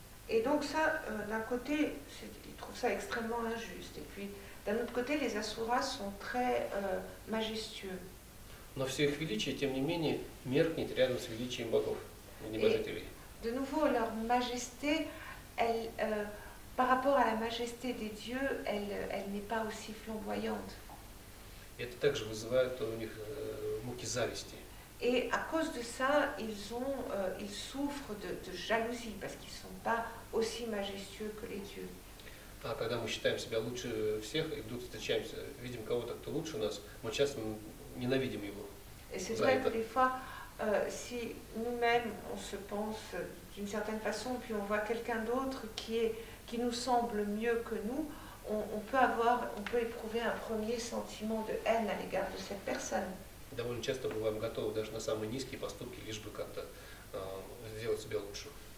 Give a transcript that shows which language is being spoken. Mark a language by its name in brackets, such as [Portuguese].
[French] Et donc ça, d'un côté, ils trouvent ça extrêmement injuste. Et puis, d'un autre côté, les Asuras sont très majestueux. [Russian] Но все их величие, тем не менее, меркнет рядом с величием богов, небожителей. [French] Et, de nouveau, leur majesté, elle, par rapport à la majesté des dieux, elle n'est pas aussi flamboyante. [Russian] Это также вызывает у них муки зависти. [French] Et à cause de ça, ils souffrent de jalousie, parce qu'ils ne sont pas aussi majestueux que les dieux. [Russian] А когда мы считаем себя лучше всех, и вдруг встречаемся, видим кого-то, кто лучше нас, мы часто ненавидим его. [French] Et c'est vrai que des fois, si nous-mêmes, on se pense d'une certaine façon, puis on voit quelqu'un d'autre qui nous semble mieux que nous, on peut éprouver un premier sentiment de haine à l'égard de cette personne. [Russian] Довольно часто бываем готовы даже на самые низкие поступки, лишь бы как-то сделать себя лучше.